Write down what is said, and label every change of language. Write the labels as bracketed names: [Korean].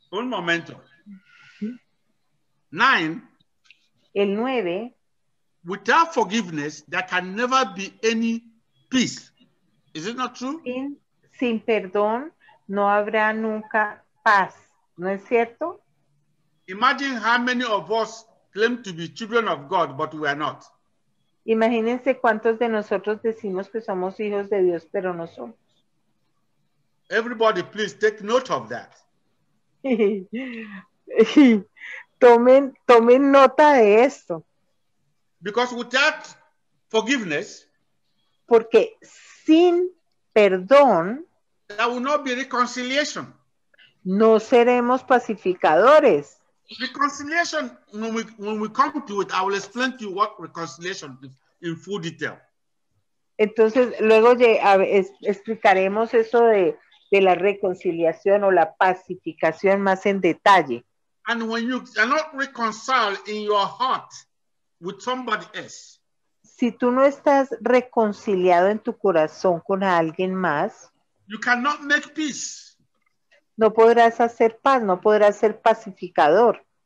[Spanish] Un momento. [English] Nine. [Spanish] El 9. [English] Without forgiveness, there can never be any peace. Is it not true? [Spanish] Sin perdón no habrá nunca paz, ¿no es cierto? [English] Imagine how many of us claim to be children of God, but we are not. [Spanish] Imagínense cuántos de nosotros decimos que somos hijos de Dios, pero no somos. [English] Everybody, please take note of that. [Spanish] Tomen nota de esto. [English] Because without forgiveness, [Spanish] porque sin perdón, [English] there will not be reconciliation. [Spanish] No seremos pacificadores. [English] Reconciliation, when we come to it, I will explain to you what reconciliation is in full detail. [Spanish] Entonces, luego explicaremos eso de la reconciliación o la pacificación más en detalle. [English] And when you cannot reconcile in your heart with somebody else, [Spanish] si tú no estás reconciliado en tu corazón con alguien más, [English] you cannot make peace. [Spanish] No podrás hacer paz, no podrás ser pacificador.